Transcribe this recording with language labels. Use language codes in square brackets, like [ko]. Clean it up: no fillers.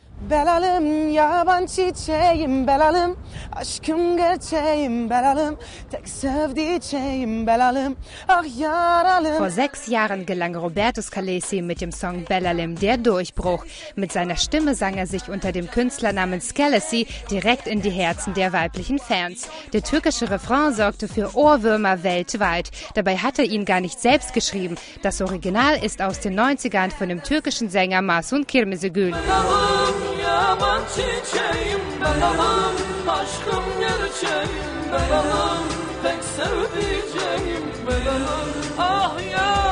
[tr] Belalım yaban çiçeğim belalım aşkım gerçeğim belalım tek sevdiceğim belalım ach yaralım. [de] Vor 6 Jahren gelang Roberto Scalesi mit dem Song Belalim der Durchbruch. Mit seiner Stimme sang er sich unter dem Künstlernamen Scalesi direkt in die Herzen der weiblichen Fans. Der türkische Refrain sorgte für Ohrwürmer weltweit. Dabei hat er ihn gar nicht selbst geschrieben. Das Original ist aus den 90ern von dem türkischen Sänger Mahsun Kırmızıgül. [tr] Yaban çiçeğim belalım, aşkım gerçeğim belalım, pek sevdiceğim belalım.